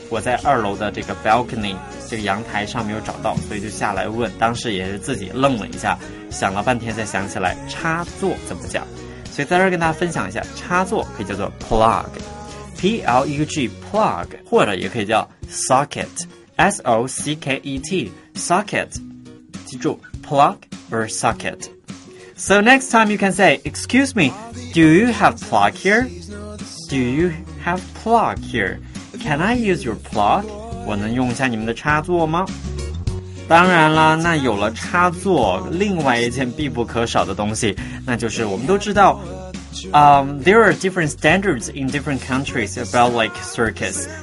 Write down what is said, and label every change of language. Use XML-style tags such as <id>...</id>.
<zh>我在二楼的这个 balcony 这个阳台上没有找到，所以就下来问，当时也是自己愣了一下，想了半天才想起来插座怎么讲。所以在这儿跟大家分享一下，插座可以叫做 plug， P-L-U-G， plug， 或者也可以叫 socket， S-O-C-K-E-T， socket， 记住 plug or socket。</zh> <en>So next time you can say excuse me, do you have plug here? Do you have plug here? Can I use your plug?</en> <zh>我能用一下你们的插座吗？当然了，那有了插座，另外一件必不可少的东西，那就是我们都知道</zh> <en>there are different standards in different countries about like circuits.</en>